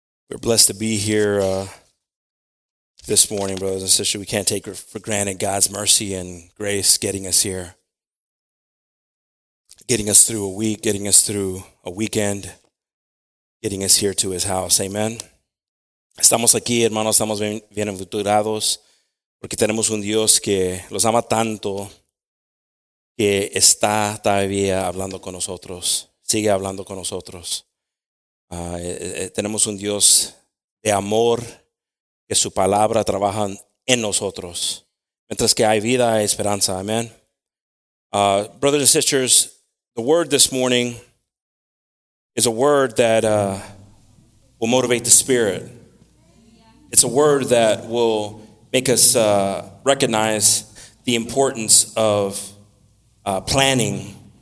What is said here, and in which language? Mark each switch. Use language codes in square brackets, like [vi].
[en] We're blessed to be here this morning, brothers and sisters. We can't take for granted God's mercy and grace getting us here, getting us through a week, getting us through a weekend, getting us here to his house. Amen. [es] Estamos aquí, hermanos, estamos bien aventurados porque tenemos un Dios que los ama tanto que está todavía hablando con nosotros, sigue hablando con nosotros. Tenemos un Dios de amor que su palabra trabaja en nosotros. Mientras que hay vida, hay esperanza. Amen. [en] Brothers and sisters, the word this morning is a word that will motivate the spirit. It's a word that will make us recognize the importance of planning.